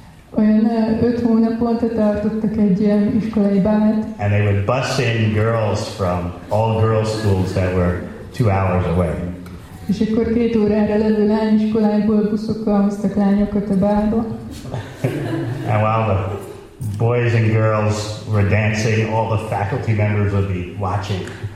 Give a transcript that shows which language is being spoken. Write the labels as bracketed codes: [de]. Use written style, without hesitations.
[hu] Olyan 5 hónaponta tartottak egy ilyen iskolai bálát. [en] And they would bus in girls from all girls schools that were 2 hours away. [hu] És akkor 2 órára levő lányiskolákból buszokkal hoztak lányokat a bálba. [en] And while the boys and girls were dancing, all the faculty members would be watching.